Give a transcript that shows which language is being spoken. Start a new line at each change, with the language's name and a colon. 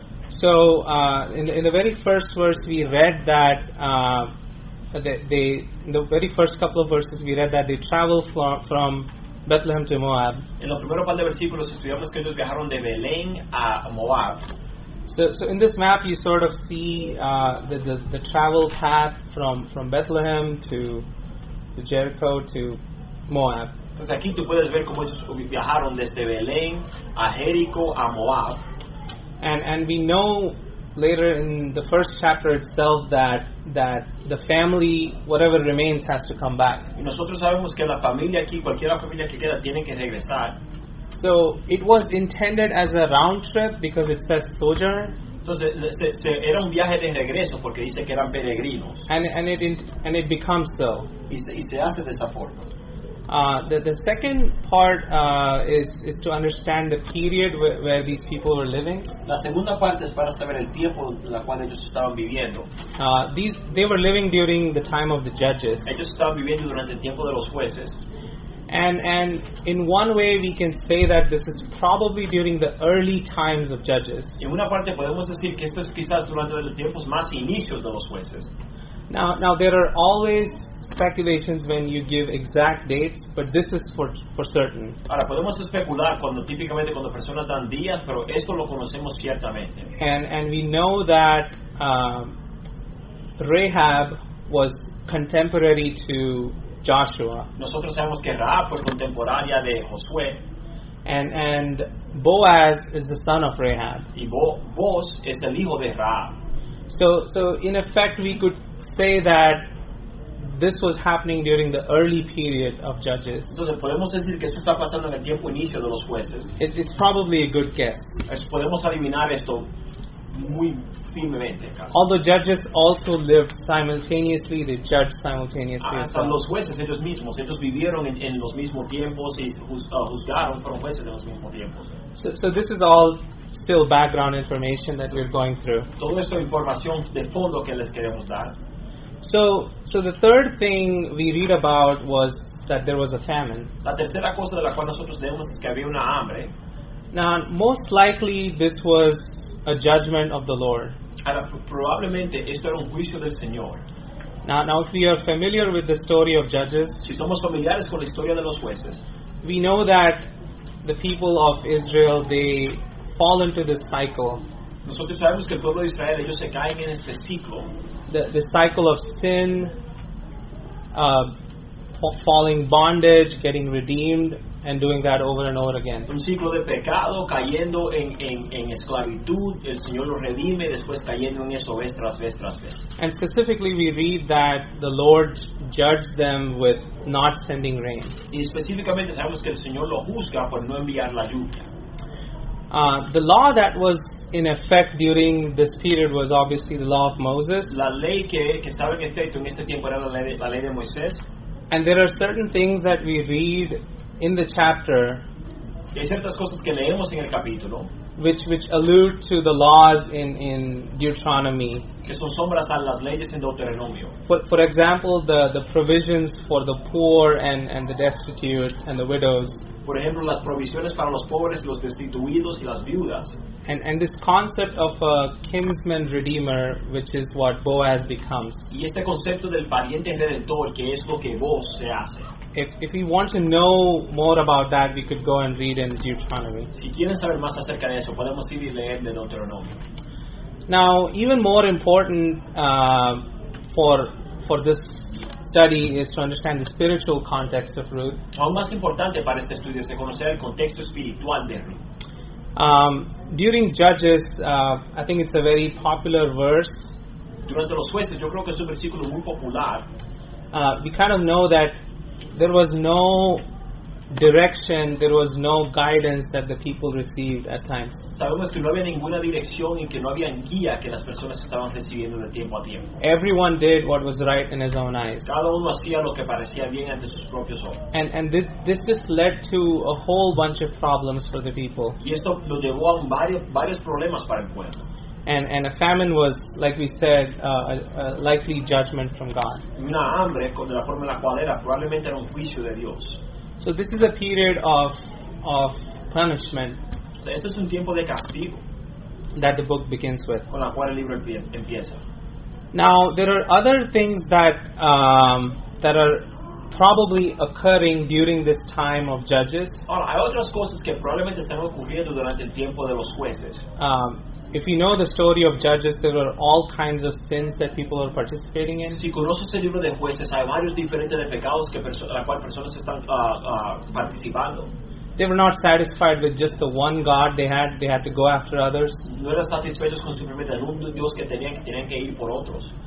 English: So, in the very first verse we read that they traveled from Bethlehem to Moab.
Spanish: En los primeros par de versículos estudiamos que ellos viajaron de Belén a Moab.
English: So in this map you sort of see the travel path from Bethlehem to Jericho to Moab.
Spanish: Entonces aquí tú puedes ver cómo ellos viajaron desde Belén a Jericho a Moab.
English: And we know later in the first chapter itself that the family, whatever remains, has to come back.
Spanish: Y nosotros sabemos que la familia aquí, cualquiera familia que queda, tiene que regresar.
English: So it was intended as a round trip because it says sojourn.
Spanish: Entonces era un viaje de regreso porque dice que eran peregrinos.
English: And it becomes so.
Spanish: Y se hace de esta forma.
English: The second part is to understand the period where these people were living.
Spanish: La segunda parte es para saber el tiempo en la cual ellos estaban viviendo.
English: They were living during the time of the judges.
Spanish: Ellos estaban viviendo durante el tiempo de los jueces.
English: And in one way we can say that this is probably during the early times of judges.
Spanish: En una parte podemos decir que esto es quizás durante los tiempos más inicios de los jueces.
English: Now there are always speculations when you give exact dates, but this is for certain.
Spanish: Ahora podemos especular cuando típicamente cuando personas dan días, pero esto lo conocemos ciertamente.
English: And we know that Rahab was contemporary to Joshua.
Spanish: Nosotros sabemos que Rahab fue contemporánea de Josué.
English: And Boaz is the son of Rahab.
Spanish: Y Boaz es el hijo de Rahab.
English: So in effect we could say that this was happening during the early period of Judges.
Spanish: Entonces podemos decir que esto está pasando en el tiempo inicio de los jueces.
English: It's probably a good guess.
Spanish: Podemos adivinar esto muy firmemente.
English: Although Judges also lived simultaneously, they judged simultaneously.
Spanish: Hasta los jueces ellos mismos, ellos vivieron en los mismos tiempos y juzgaron, fueron jueces en los mismos tiempos.
English: So this is all still background information that we're going through.
Spanish: Todo esto es información de fondo que les queremos dar.
English: So the third thing we read about was that there was a famine.
Spanish: La tercera cosa de la cual nosotros leemos es que había una hambre.
English: Now, most likely this was a judgment of the Lord.
Spanish: Ahora, probablemente esto era un juicio del Señor.
English: Now, if we are familiar with the story of Judges,
Spanish: si somos familiares con la historia de los jueces,
English: we know that the people of Israel, they fall into this cycle.
Spanish: Nosotros sabemos que el pueblo de Israel, ellos se caen en este ciclo.
English: The cycle of sin, falling bondage, getting redeemed, and doing that over and over again.
Spanish: Un ciclo de pecado, cayendo en esclavitud, el Señor lo redime, después cayendo en eso vez tras vez tras vez.
English: And specifically we read that the Lord judged them with not sending rain.
Spanish: Y específicamente sabemos que el Señor lo juzga por no enviar la lluvia.
English: The law that was in effect during this period was obviously the law of Moses.
Spanish: La ley que estaba en efecto en este tiempo era la ley de Moisés.
English: And there are certain things that we read in the chapter.
Spanish: Y hay ciertas cosas que leemos en el capítulo.
English: Which allude to the laws in Deuteronomy.
Spanish: Que son sombras a las leyes en Deuteronomio.
English: For example, the provisions for the poor and the destitute and the widows.
Spanish: Por ejemplo, las provisiones para los pobres, los destituidos y las viudas.
English: And this concept of a kinsman redeemer, which is what Boaz becomes.
Spanish: Y este concepto del pariente redentor, que es lo que Boaz se hace.
English: If we want to know more about that, we could go and read in Deuteronomy.
Spanish: Si quieren saber más acerca de eso, podemos ir y leer de Deuteronomio.
English: Now, even more important for this study is to understand the spiritual context of Ruth.
Spanish: Aún más importante para este estudio es de conocer el contexto espiritual de Ruth.
English: During Judges, I think it's a very popular verse.
Spanish: Durante los jueces, yo creo que es un versículo muy popular.
English: We kind of know that there was no direction, there was no guidance that the people received at times.
Spanish: Sabemos que no había ninguna dirección y que no había guía que las personas estaban recibiendo de tiempo a tiempo.
English: Everyone did what was right in his own eyes.
Spanish: Cada uno hacía lo que parecía bien ante sus propios ojos.
English: And this just led to a whole bunch of problems for the people.
Spanish: Y esto lo llevó a varios problemas para el pueblo.
English: And a famine was, like we said, a likely judgment from God.
Spanish: Una hambre, de la forma en la cual era, probablemente era un juicio de Dios.
English: So this is a period of punishment.
Spanish: So esto es un tiempo de castigo
English: that the book begins with.
Spanish: Con la cual el libro empieza.
English: Now there are other things that that are probably occurring during this time of judges.
Spanish: Ahora, hay otras cosas que probablemente están ocurriendo durante el tiempo de los jueces.
English: If you know the story of Judges, there are all kinds of sins that people are participating in.
Spanish: Si conoces el libro de jueces, hay varios diferentes de pecados que la cual personas están participando.
English: They were not satisfied with just the one God they had. They had to go after others.
Spanish: No eran satisfechos con simplemente el único Dios que tenían que ir por otros.